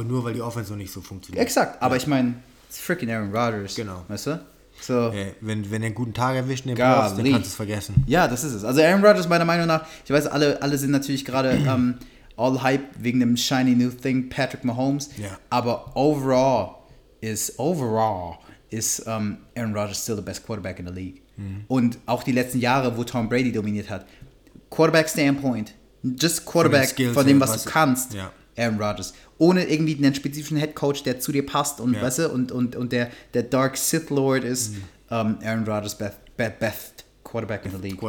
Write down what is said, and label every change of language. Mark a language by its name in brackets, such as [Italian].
[German] Aber nur, weil die Offense noch nicht so funktioniert. Exakt, aber ich meine, [English] it's freaking [German] Aaron Rodgers. Genau. Weißt du? So. Hey, wenn er einen guten Tag erwischt in den Playoffs, dann kannst du es vergessen. Ja, das ist es. Also Aaron Rodgers, meiner Meinung nach, ich weiß, alle sind natürlich gerade [English] all hype [German] wegen dem [English] shiny new thing, [German] Patrick Mahomes. [English] Yeah. [German] Aber [English] overall is Aaron Rodgers still the best quarterback in the league. [German] Und auch die letzten Jahre, wo Tom Brady dominiert hat. [English] Quarterback Standpoint, just Quarterback [German] von dem, was du kannst, Aaron Rodgers. Ohne irgendwie einen spezifischen Head Coach, der zu dir passt und weißt du, und der Dark Sith Lord ist, Aaron Rodgers, [English] best Quarterback in the league.